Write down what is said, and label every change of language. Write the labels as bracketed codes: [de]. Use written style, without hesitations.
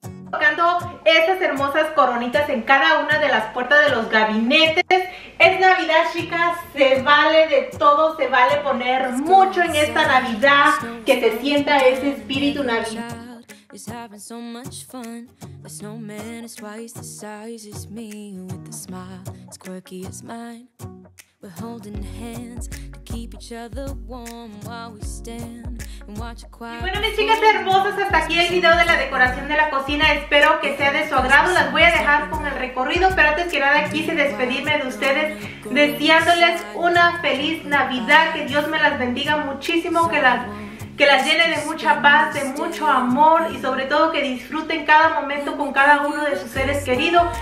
[es] Colocando estas hermosas coronitas en cada una de las puertas de los gabinetes. Es Navidad, chicas, se vale de todo, se vale poner mucho en esta Navidad, que se sienta ese espíritu navideño. [en] Is having so much fun. The snowman is twice the size as me, with a smile as quirky as mine. We're holding hands to keep each other warm while we stand and watch a choir. [es] Bueno, mis chicas hermosas, hasta aquí el video de la decoración de la cocina. Espero que sea de su agrado. Las voy a dejar con el recorrido, pero antes que nada quise despedirme de ustedes deseándoles una feliz Navidad. Que Dios me las bendiga muchísimo, que las llene de mucha paz, de mucho amor y sobre todo que disfruten cada momento con cada uno de sus seres queridos.